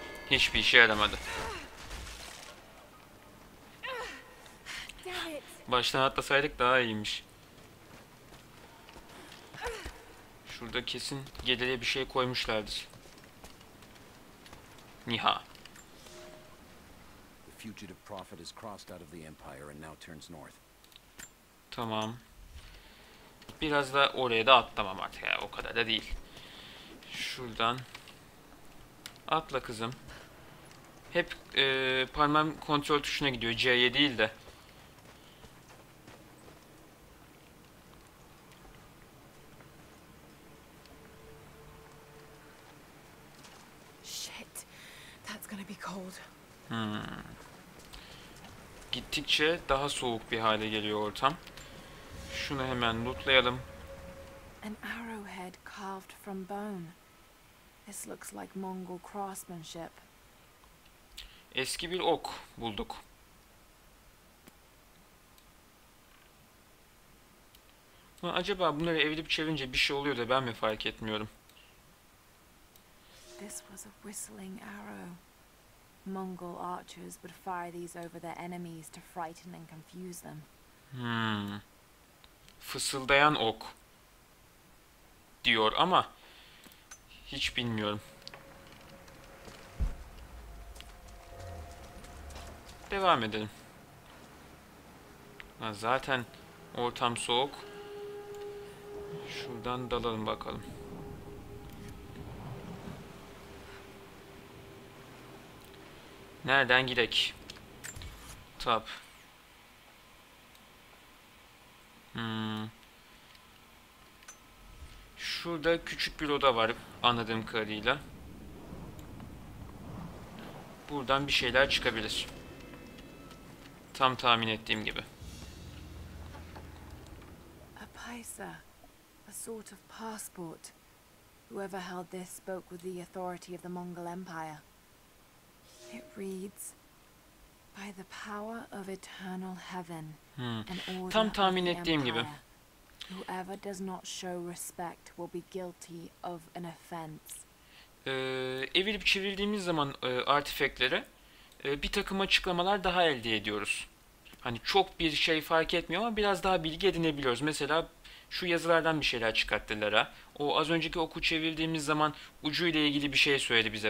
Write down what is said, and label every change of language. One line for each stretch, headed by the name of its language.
Turkish: Hiçbir işe yaramadı. Baştan atlasaydık daha iyiymiş. Şurada kesin geriye bir şey koymuşlardır. Niha.
English: Fugitive prophet has crossed out of the empire and now turns north.
Turkish: Tamam. Biraz da oraya da atlamam artık ya, o kadar da değil. Şuradan atla kızım. Hep parmağım kontrol tuşuna gidiyor, C'ye değil de.
English: Shit. That's gonna be cold.
Turkish: Gittikçe daha soğuk bir hale geliyor ortam. Şunu hemen lootlayalım.
English: An arrowhead carved from bone. This looks like Mongol craftsmanship.
Turkish: Eski bir ok bulduk. Ulan acaba bunları evirip çevirince bir şey oluyor da ben mi fark etmiyorum?
English: This was a whistling arrow. Mongol archers would fire these over their enemies to frighten and confuse them.
Turkish: Fısıldayan ok diyor ama hiç bilmiyorum. Devam edelim. Ha, zaten ortam soğuk. Şuradan dalalım bakalım. Nereden gidek? Top. Şurada küçük bir oda var anladığım kadarıyla. Buradan bir şeyler çıkabilir. Tam tahmin ettiğim gibi.
English: A paisa, a sort of passport. Whoever held this spoke with the authority of the Mongol Empire. It reads, by the power of eternal heaven and order
Turkish: tam tahmin ettiğim gibi.
English: Whoever does not show respect will be guilty of an offense.
Turkish: Evirip çevirdiğimiz zaman artifekleri bir takım açıklamalar daha elde ediyoruz. Hani çok bir şey fark etmiyor ama biraz daha bilgi edinebiliyoruz. Mesela şu yazılardan bir şeyler çıkarttılar ha. O az önceki oku çevirdiğimiz zaman ucuyla ilgili bir şey söyledi bize.